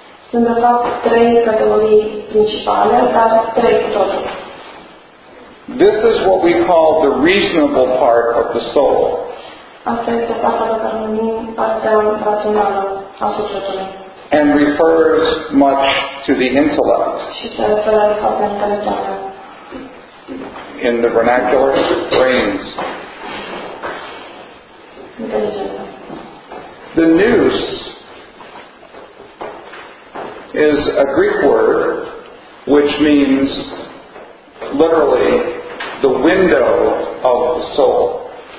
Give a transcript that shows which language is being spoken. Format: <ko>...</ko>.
<ro>Sunt de fapt trei categorii principale, dar trei totuși.</ro> <en>This is what we call the reasonable part of the soul.</en> <ro>Asta este partea pe care numim partea rațională a sufletului.</ro> <en>And refers much to the intellect.</en> <ro>Și se referă la partea intelectuală.</ro> <en>In the vernacular, brains. Intelligent. The nous is a Greek word which means literally the window of the soul.</en>